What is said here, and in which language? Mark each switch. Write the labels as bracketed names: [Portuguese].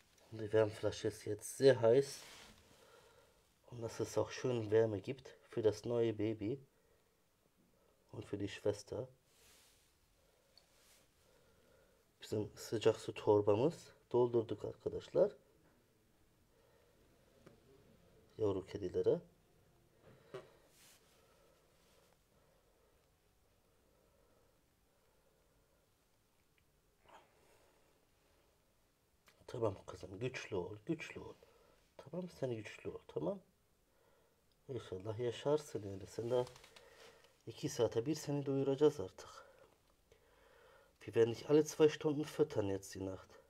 [German] Die Wärmflasche ist jetzt sehr heiß und dass es auch schön Wärme gibt für das neue Baby und für die Schwester. [Turkish] Bizim sıcak su torbamız doldurduk arkadaşlar. Yavru kedilere. Tamam kızım, güçlü ol, güçlü ol. Tamam, sen güçlü ol, tamam. İnşallah yaşarsın yani. Sen daha 2 saate bir seni doyuracağız artık. [German] Wir werden dich alle 2 Stunden füttern jetzt die Nacht.